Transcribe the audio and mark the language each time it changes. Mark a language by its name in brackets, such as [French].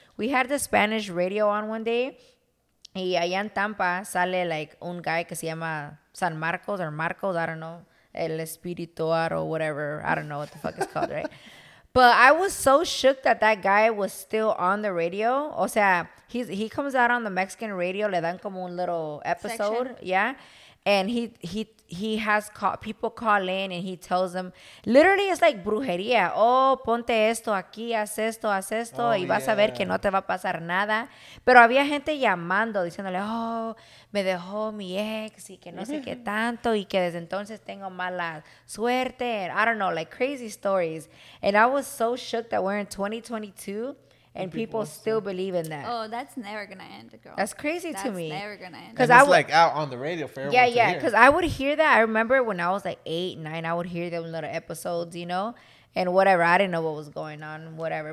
[English] We had the Spanish radio on one day, [Spanish] y allá en Tampa sale [English] like [Spanish] un guy que se llama [English] San Marcos or Marcos, I don't know, [Spanish] el espiritual [English] or whatever, I don't know what the fuck it's called, right? But I was so shook that that guy was still on the radio. [Spanish] O sea, [English] he comes out on the Mexican radio, [Spanish] le dan como un [English] little episode, section. Yeah, and he has call, people call in and he tells them, literally it's like brujería. [Spanish] Oh, ponte esto aquí, haz esto, y vas a ver que no te va a pasar nada. Pero había gente llamando, diciéndole, oh, me dejó mi ex y que no sé qué tanto y que desde entonces tengo mala suerte. [English] And I don't know, like crazy stories. And I was so shook that we're in 2022 and people still believe in that. Oh, that's never going to end, girl. That's crazy to me. That's never going to end. Cause it's like out on the radio for everyone to hear. Because I would hear that. I remember when I was like 8, 9, I would hear them little episodes, you know, and whatever. I didn't know what was going on, whatever.